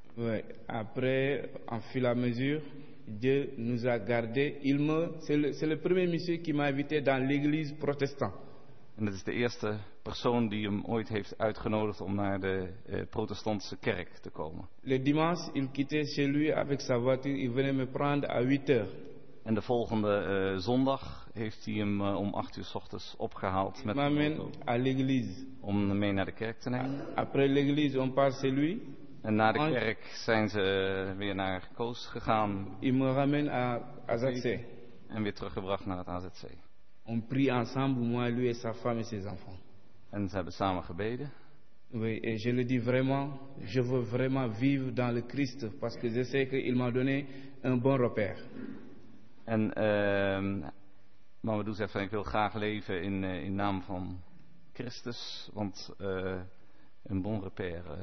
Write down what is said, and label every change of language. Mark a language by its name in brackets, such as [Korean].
[French] Oui. Après, en fil à mesure... Dieu nous a gardé. Il me, c'est le premier monsieur qui m'a invité dans l'église protestante. [Dutch] En dat is de eerste persoon die hem ooit heeft uitgenodigd om naar de protestantse kerk te komen. [French] Le dimanche, il quittait chez lui avec sa voiture. Il venait me prendre à 8h. [Dutch] En de volgende zondag heeft hij hem om 8 uur 's ochtends opgehaald met de auto. [French] À l'église. [Dutch] Om hem mee naar de kerk te nemen. [French] Après l'église, on part chez lui. [Dutch] En na de kerk zijn ze weer naar Koos gegaan. [French] Ils me ramènent à AZC. [Dutch] En weer teruggebracht naar het AZC. [French] On prie ensemble, moi, lui et sa femme et ses enfants. [Dutch] En ze hebben samen gebeden. [French] Oui, et je le dis vraiment, je veux vraiment vivre dans le Christ, parce que je sais qu'il m'a donné un bon repère. [Dutch] En Mamadou zegt van, ik wil graag leven in naam van Christus, want een [French] bon repère.